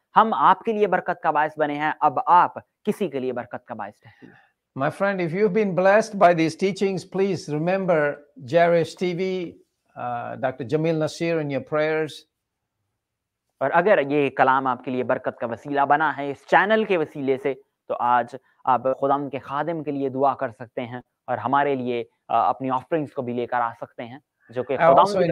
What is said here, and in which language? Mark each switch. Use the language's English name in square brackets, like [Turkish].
[Urdu] ہم آپ کے لیے برکت کا باعث بنے ہیں, اب آپ کسی کے لیے برکت کا باعث ٹھہرے. [English] My friend, if you've been blessed by these teachings, please remember Jairus TV, Dr. Jamil Nasir in your prayers. [Urdu] اور اگر یہ کلام آپ کے لیے برکت کا وسیلہ بنا ہے اس چینل کے وسیلے سے تو آج آپ خدا کے خادم کے لیے دعا کر سکتے ہیں اور ہمارے لیے اپنی آفرنگز کو بھی لے کر آ سکتے ہیں جو کہ خدا